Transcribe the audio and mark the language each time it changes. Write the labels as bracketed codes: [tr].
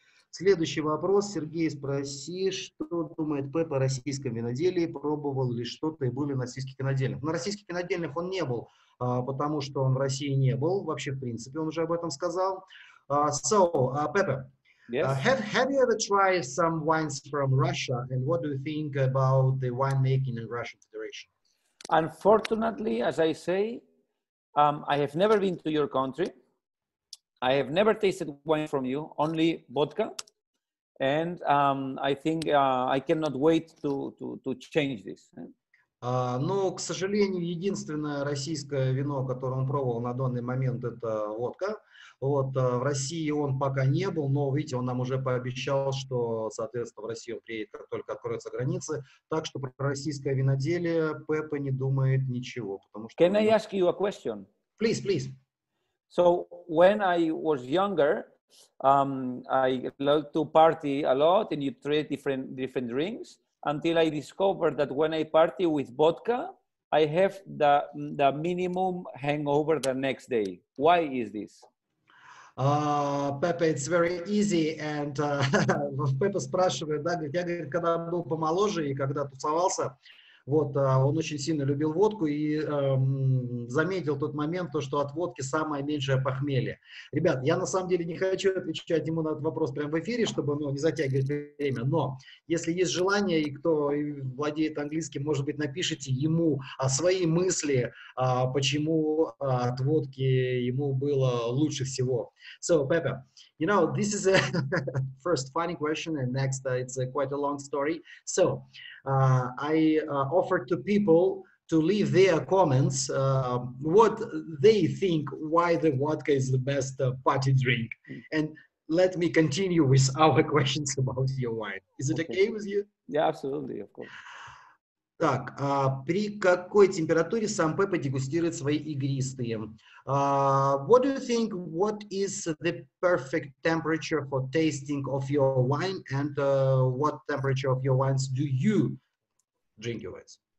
[ru] Следующий вопрос. Сергей, спроси, что думает Пеппа о российском виноделии? Пробовал ли что-то и был ли на российских винодельнях? На российских винодельнях он не был, потому что он в России не был. Вообще, в принципе, он уже об этом сказал. [en] Пеппа, have you ever tried some wines from Russia? And what do you think about the winemaking in Russian Federation? Unfortunately, as I say, I have never been to your country. I have never tasted wine from you, only vodka, and I think I cannot wait to change this. [ru] Но, к сожалению, единственное российское вино, которое он пробовал на данный момент, это водка. Вот, в России он пока не был, но, видите, он нам уже пообещал, что, соответственно, в Россию он приедет, как только откроются границы. Так что про российское виноделие Пеппа не думает ничего. Потому что... [en] Can I ask you a question? Please, please. So, when I was younger, I loved to party a lot and you tried different drinks. Until I discovered that when I party with vodka, I have the minimum hangover the next day. Why is this? Пеппа, it's very easy. [ru] And Пеппа спрашивает, да, говорит, я, говорит, когда был помоложе и когда тусовался, вот, он очень сильно любил водку и заметил тот момент, то, что от водки самое меньшее похмелье. Ребят, я на самом деле не хочу отвечать ему на этот вопрос прямо в эфире, чтобы не затягивать время, но если есть желание, и кто владеет английским, может быть, напишите ему свои мысли, почему от водки ему было лучше всего. [en] So, Pepe, you know, this is a first funny question, and next it's a quite a long story. So, I offered to people to leave their comments what they think why the vodka is the best party drink. And let me continue with our questions about your wine. Is it okay with you? Yeah, absolutely, of course. [ru] Так, при какой температуре сам Пеппа дегустирует свои игристые? [en] What do you think, what is the perfect temperature for tasting of your wine, and what temperature of your wines do you drink your wines?